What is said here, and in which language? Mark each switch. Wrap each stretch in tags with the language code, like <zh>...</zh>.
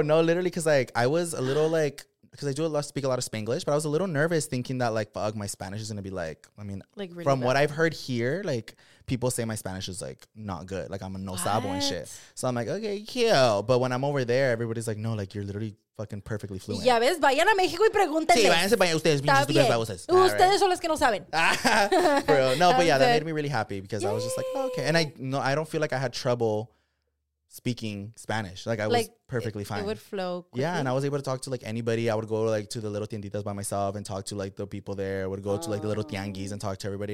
<en>No, literally, because like I was a little like, because I do speak a lot of Spanglish, but I was a little nervous thinking that like, fuck, my Spanish is going to be like, I mean, like really from bad. What I've heard here, like people say my Spanish is like not good. Like I'm a no sabo and shit. So I'm like, okay, cute. But when I'm over there, everybody's like, no, like you're literally fucking perfectly fluent.</en> <es>Ya ves, vayan a México y pregúntenle. Sí, váyanse para allá ustedes. Ustedes son los que no saben.</es> <en>For real. No, but yeah, that made me really happy, because I was just like, oh, okay. And I don't feel like I had trouble speaking Spanish. Like I was like, perfectly fine. It would flow quickly. Yeah, and I was able to talk to like anybody. I would go like to the little tienditas by myself and talk to like the people there. I would go to like the little tianguis and talk to everybody.</en>